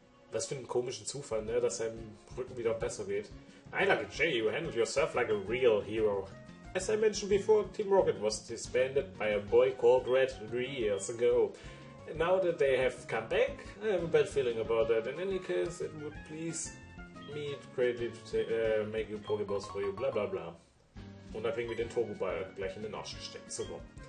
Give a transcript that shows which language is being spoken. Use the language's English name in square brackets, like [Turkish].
[German] Was für einen komischen Zufall, ne? Dass seinem Rücken wieder besser geht. [English] Hey, Lucky J, you handled yourself like a real hero. As I mentioned before, Team Rocket was disbanded by a boy called Red 3 years ago. And now that they have come back, I have a bad feeling about that. In any case, it would please me greatly to make you Pokeballs for you. Blah, blah, blah. [German] Und dann kriegen wir den Turboball gleich in den Arsch gesteckt. Super.